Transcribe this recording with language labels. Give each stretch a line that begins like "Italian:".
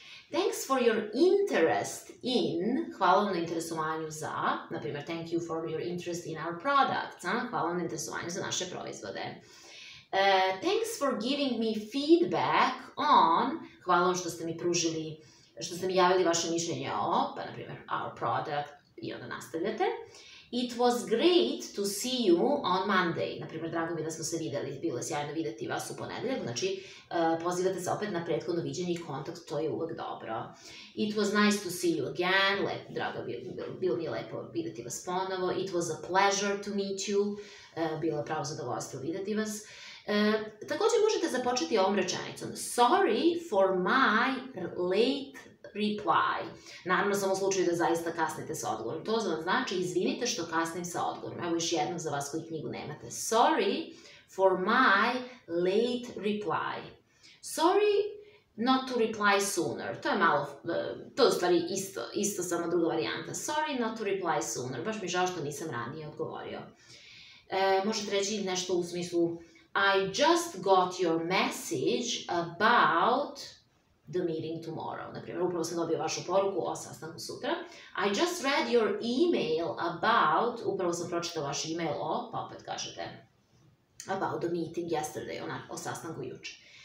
English: Thanks for your interest in,
Bosnian: hvala vam na interesovanju za, na primjer,
English: thank you for your interest in our products,
Bosnian: hvala vam na interesovanju za naše proizvode.
English: Thanks for giving me feedback on,
Bosnian: hvala vam što ste mi pružili, što ste mi javili vaše mišljenje o, pa na primjer,
English: our product,
Bosnian: i onda nastavljate.
English: It was great to see you on Monday.
Bosnian: Naprimjer, drago mi da smo se vidjeli, bilo je sjajno vidjeti vas u ponedeljak. Znači, pozivate se opet na prethodno viđenje i kontakt, to je uvijek dobro.
English: It was nice to see you again.
Bosnian: Bilo mi je lepo vidjeti vas ponovo.
English: It was a pleasure to meet you.
Bosnian: Bilo je pravo zadovoljstvo vidjeti vas. Također možete započeti ovom rečenicom.
English: Sorry for my late reply.
Bosnian: Naravno, samo u slučaju da zaista kasnite sa odgovorom. To znači, izvinite što kasnim sa odgovorom. Evo još jednom za vas koji knjigu nemate.
English: Sorry for my late reply. Sorry not to reply sooner.
Bosnian: To je malo, to je u stvari isto samo druga varijanta.
English: Sorry not to reply sooner.
Bosnian: Baš mi žao što nisam ranije odgovorio. Možete reći nešto u smislu
English: I just got your message about the meeting tomorrow.
Bosnian: Naprimjer, upravo sam dobio vašu poruku o sastanku sutra.
English: I just read your email about,
Bosnian: upravo sam pročitao vaš email o, pa opet kažete,
English: about the meeting yesterday,
Bosnian: o sastanku juče.